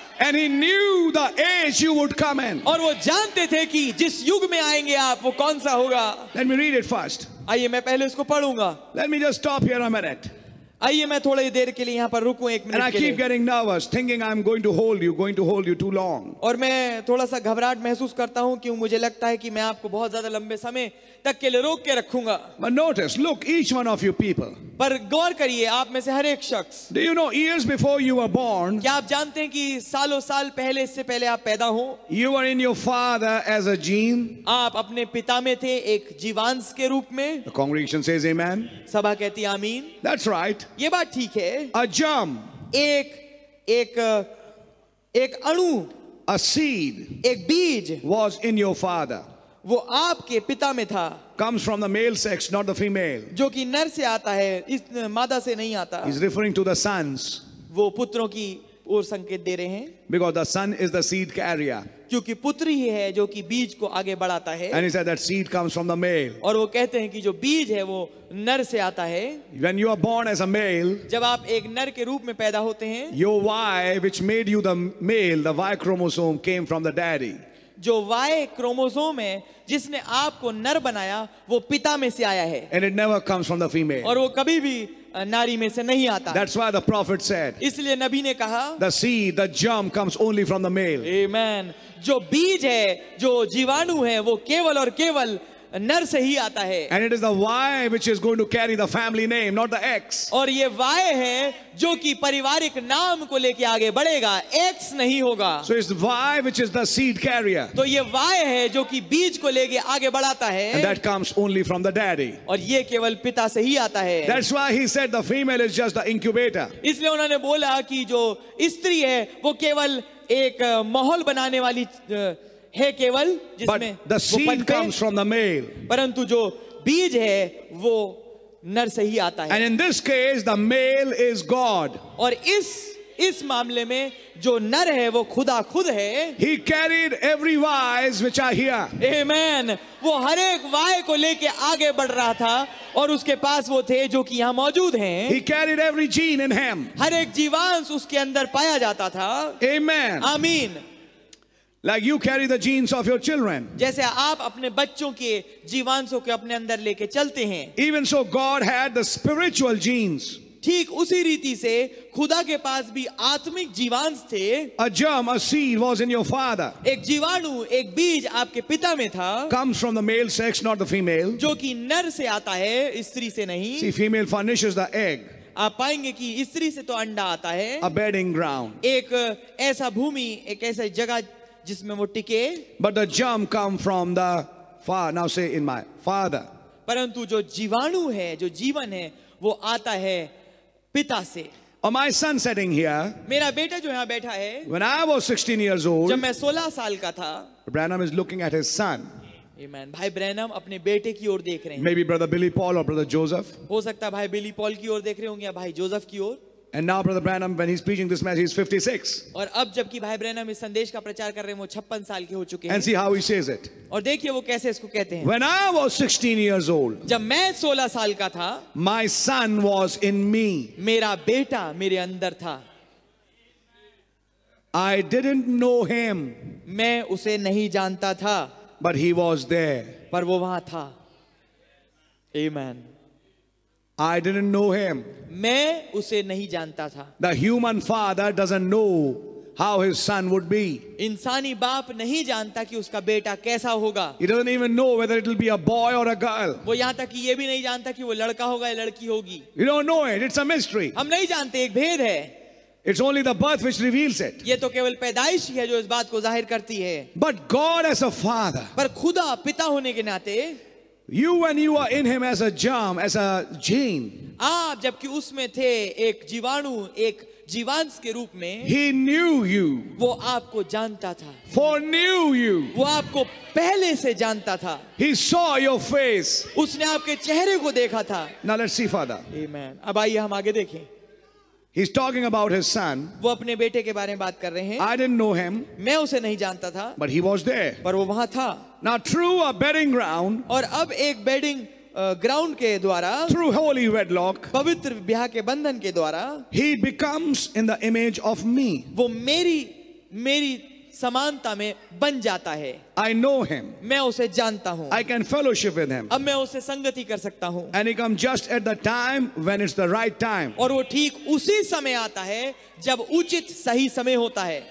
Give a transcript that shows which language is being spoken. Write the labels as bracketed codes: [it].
[en] And he knew the age you would come in. [hi] और वो जानते थे कि जिस युग में आएंगे आप वो कौन सा होगा. [en] Let me read it first. [hi] आइए मैं पहले इसको पढ़ूंगा. [en] Let me just stop here a minute. [hi] आइए मैं थोड़ी देर के लिए यहाँ पर रुकूं एक minute. [en] And I keep getting nervous, thinking I'm going to hold you too long. [hi] और मैं थोड़ा सा घबराहट महसूस करता हूँ क्योंकि मुझे लगता है कि मैं आपको बहुत ज़्यादा लंबे समय तक के लिए रोक के रखूँगा. [en] But notice, look each one of you people. [hi] पर गौर करिए आप में से हर एक शख्स. [en] Do you know years before you were born? [hi] क्या आप जानते हैं कि सालों साल पहले इससे पहले आप पैदा हो? [en] You were in your father as a gene. [hi] आप अपने पिता में थे एक जीवांश के रूप में. [en] The congregation says amen. [hi] सभा कहती आमीन. [en] That's right. [hi] ये बात ठीक है. [en] A germ. [hi] एक एक एक अणु. [en] A seed. [hi] एक बीज. [en] Was in your father. [hi] वो आपके पिता में था. [en] Comes from the male sex, not the female. [hi] जो कि नर से आता है, इस मादा से नहीं आता. [en] He's referring to the sons. [hi] वो पुत्रों की ओर संकेत दे रहे हैं. [en] Because the son is the seed carrier. [hi] क्योंकि पुत्र ही है जो कि बीज को आगे बढ़ाता है. [en] And he said that seed comes from the male. [hi] और वो कहते हैं कि जो बीज है वो नर से आता है. [en] When you are born as a male, [hi] जब आप एक नर के रूप में पैदा होते हैं, [en] your Y, which made you the male, the Y chromosome came from the daddy. [hi] जो वाई क्रोमोसोम है जिसने आपको नर बनाया वो पिता में से आया है. [en] And it never comes from the female. [hi] और वो कभी भी नारी में से नहीं आता. [en] That's why the prophet said, [hi] इसलिए नबी ने कहा, [en] the seed, the germ comes only from the male. Amen. [hi] जो बीज है, जो जीवाणु है, वो केवल और केवल नर से ही आता है. [en] And it is the Y which is going to carry the family name, not the X. [hi] और ये Y है जो कि पारिवारिक नाम को लेके आगे बढ़ेगा, X नहीं होगा. [en] So it's Y which is the seed carrier. [hi] तो ये Y है जो कि बीज को लेके आगे बढ़ाता है. [en] And that comes only from the daddy. [hi] और ये केवल पिता से ही आता है. [en] That's why he said the female is just the incubator. [hi] इसलिए उन्होंने बोला कि जो स्त्री है वो केवल एक माहौल बनाने वाली है केवल, जिसमें [en] the seed comes from the male. [hi] परंतु जो बीज है वो नर से ही आता है. [en] And in this case, the male is God. [hi] और इस मामले में जो नर है वो खुदा खुद है. [en] He carried every wise which are here. Amen. [hi] वो हर एक वाय को लेके आगे बढ़ रहा था और उसके पास वो थे जो कि यहाँ मौजूद हैं. [en] He carried every gene in him. [hi] हर एक जीवांश उसके अंदर पाया जाता था. [en] Amen. [hi] आमीन. [en] Like you carry the genes of your children. [hi] जैसे आप अपने बच्चों के जीवांशों को अपने अंदर लेके चलते हैं. [en] Even so, God had the spiritual genes. [hi] ठीक उसी रीति से खुदा के पास भी आत्मिक जीवांश थे. [en] A germ, a seed was in your father. [hi] एक जीवाणु, एक बीज आपके पिता में था. [en] Comes from the male sex, not the female. [hi] जो कि नर से आता है, स्त्री से नहीं. [en] See, female furnishes the egg. [hi] आप पाएंगे कि स्त्री से तो अंडा आता है. [en] A bedding ground. [hi] एक ऐसा भूमि, एक ऐसा जगह जिसमें वो टिके. [en] But the germ come from the father. Now say in my father. [hi] परंतु जो जीवाणु है, जो जीवन है, वो आता है पिता से. [en] And my son sitting here. [hi] मेरा बेटा जो यहाँ बैठा है. [en] When I was 16 years old. [hi] जब मैं 16 साल का था. [en] Branham is looking at his son. Amen. [hi] भाई ब्रैनम अपने बेटे की ओर देख रहे हैं. [en] Maybe brother Billy Paul or brother Joseph. [hi] हो सकता भाई Billy Paul की ओर देख रहे होंगे या भाई Joseph की ओर. [en] And now Brother Branham, when he's preaching this message, he's 56. [hi] और अब जबकि भाई ब्रैनम इस संदेश का प्रचार कर रहे हैं, वो 56 साल के हो चुके हैं. [en] And see how he says it. [hi] और देखिए वो कैसे इसको कहते हैं. [en] When I was 16 years old. [hi] जब मैं 16 साल का था. [en] My son was in me. [hi] मेरा बेटा मेरे अंदर था. [en] I didn't know him. [hi] मैं उसे नहीं जानता था. [en] But he was there. [hi] पर वो वहां था. Amen. [en] I didn't know him. [hi] मैं उसे नहीं जानता था. [en] The human father doesn't know how his son would be. [hi] इंसानी बाप नहीं जानता कि उसका बेटा कैसा होगा. [en] He doesn't even know whether it'll be a boy or a girl. [hi] वो यहाँ तक कि ये भी नहीं जानता कि वो लड़का होगा या लड़की होगी. [en] You don't know it. It's a mystery. [hi] हम नहीं जानते, एक भेद है. [en] It's only the birth which reveals it. [hi] ये तो केवल पैदाइश ही है जो इस बात को जाहिर करती है. [en] But God as a father. [hi] पर खुदा पिता होने के नाते. [en] You when you are in him as a germ, as a gene. [hi] आप जबकि उसमें थे एक जीवाणु, एक जीवांश के रूप में. [en] He knew you. [hi] वो आपको जानता था. [en] For knew you. [hi] वो आपको पहले से जानता था. [en] He saw your face. [hi] उसने आपके चेहरे को देखा था. [en] Now let's see father. [hi] Amen. अब आइए हम आगे देखें. [en] He's talking about his son. [hi] वो अपने बेटे के बारे में बात कर रहे हैं. [en] I didn't know him. [hi] मैं उसे नहीं जानता था. [en] But he was there. [hi] पर वो वहाँ था. [en] Now through a bedding ground. [hi] और अब एक [en] bedding ground [hi] के द्वारा. [en] Through holy wedlock. [hi] पवित्र विवाह के बंधन के द्वारा. [en] He becomes in the image of me. [hi] वो मेरी समानता में बन जाता है. [en] I know him. [hi] मैं उसे जानता हूँ. [en] I can fellowship with him. [hi] अब मैं उसे संगति कर सकता हूँ. [en] And he comes just at the time when it's the right time. [hi] और वो ठीक उसी समय आता है जब उचित सही समय होता है.